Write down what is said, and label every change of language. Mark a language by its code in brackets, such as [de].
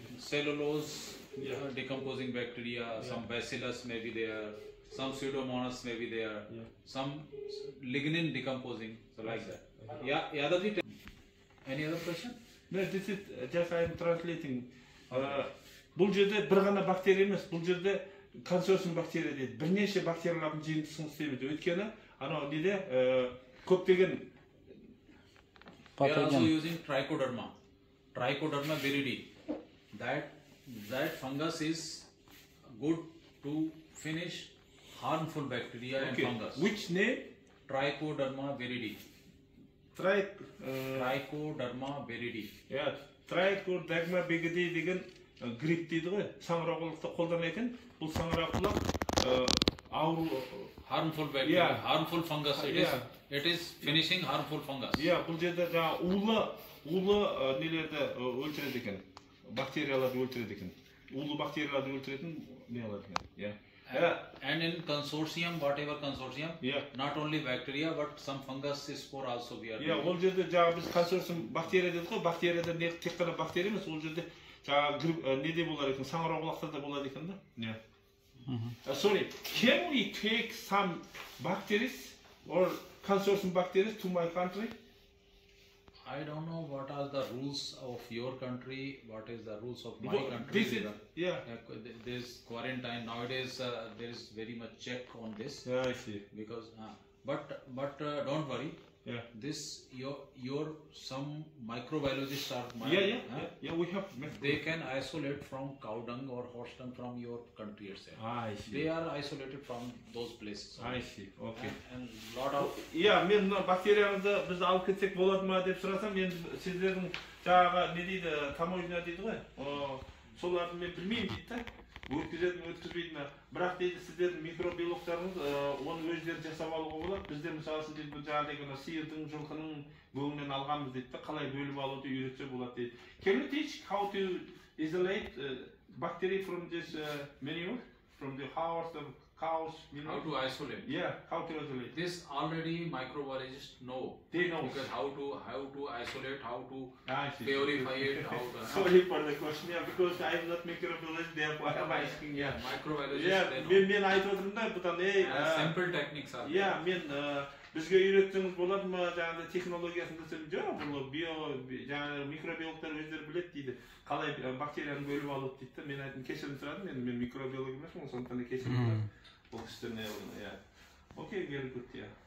[en] cellulose yeah. decomposing bacteria. Yeah. Some bacillus may be there. Some pseudomonas may be there. Yeah. Some lignin decomposing. So I like see. That. Yeah, yeah, that's it. Any other question? No, this is just I am translating. [kk] Бұл жерде бір ғана бактерия емес, бұл жерде консорциум бактерия дейді. Бірнеше бактериялардың жиынтығын істейді. Өйткені анау неде көптеген патоген. [en] We are also using trichoderma. Trichoderma viridi. That fungus is good to finish harmful bacteria and fungus. Which name? Trichoderma viridi. Trichoderma viridi. Yes. [kk] Trichoderma viridi деген грипп дейді ғой. Саңырауқұлақты қолданатын. Бұл саңырауқұлақ ауру [en] harmful bacteria, yeah. harmful fungus. It is finishing harmful fungus. [kk] Yeah, бұл жерде улы нелерді өлтіреді екен. Бактерияларды өлтіреді екен. Улы бактерияларды өлтіретін не алады екен. [en] And in consortium, whatever consortium, yeah. not only bacteria but some fungus spore also we are yeah, doing. [kk] Ол жерде жаңағы біз консорциум бактерия дедік қой, бактерияда не тек қана бактерия емес, ол жерде жаңағы неде болар екен, саңырауқұлақтарда болады екен да. [en] Sorry, can we take some bacteria or consortium bacteria to my country? I don't know what are the rules of your country, what is the rules of my country. This is, there is quarantine. Nowadays, there is very much check on this. Yeah, I see. Because, don't worry. Yeah. This, your some microbiologists are my... Yeah, we have... They can isolate from cow dung or horse dung from your country itself. I see. They are isolated from those places. Only. I see, okay. And lot of... [kk] Yeah, мен бактерияларды біз алып кетсек болады ма деп сұрасам, мен сіздердің жаңағы не дейді, таможня дейді ғой, соларды мен білмеймін дейді да. Өткізетін өткізбейді ма, бірақ дейді сіздердің микробиологтарыңыз оны өздері жасап алуға болады. Бізде мысалы үшін дейді, жаңағыдай мына сиырдың жылқының бөлігінен алғанбыз дейді да, қалай бөліп алуды үйретсе болады дейді. [en] Can you teach how to isolate bacteria from this manure, from the horse, the cows, you know? How to isolate? Yeah, how to isolate? This already microbiologists know. They know. Because how to isolate, how to purify it, how to... Sorry for the question, yeah, because I am not microbiologist, therefore I am asking. Yeah, yeah. Microbiologists, yeah, they know. Yeah, I thought that... Sample techniques are there. Yeah, [kk] бізге үйреттіңіз болады ма жаңағыдай технологиясын десем, жоқ, бұл жаңағы микробиологтар өздері біледі дейді, қалай бактерияны бөліп алады дейді да. Мен айттым, кешірім сұрадым, енді мен микробиолог емеспін ғой, сондықтан да кешірім сұрадым бұл кісілерден. [en] Окей, вери гуд.